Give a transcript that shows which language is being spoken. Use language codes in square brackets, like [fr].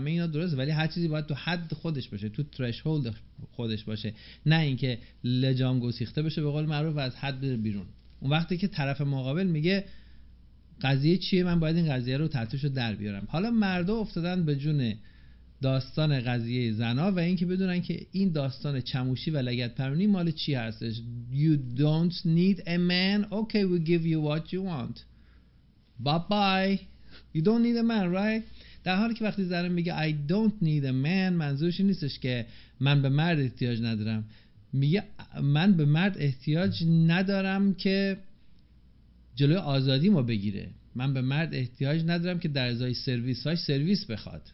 [fa] همه اینا درست، ولی هر چیزی باید تو حد خودش باشه، تو ترشهولد خودش باشه، نه اینکه لجام گسیخته بشه به قول معروف از حد بره بیرون. اون وقتی که طرف مقابل میگه قضیه چیه، من باید این قضیه رو تحتشو در بیارم. حالا مردها افتادن به جون داستان قضیه زنا و اینکه بدونن که این داستان چموشی و لگدپرونی مال چی هستش. [en] You don't need a man. Okay, we give you what you want. Bye-bye. You don't need a man, right? [fa] در حالی که وقتی زن میگه [en] I don't need a man، [fa] منظورش نیستش که من به مرد احتیاج ندارم. میگه من به مرد احتیاج ندارم که جلوی آزادی ما بگیره. من به مرد احتیاج ندارم که در ازای سرویس هاش سرویس بخواد.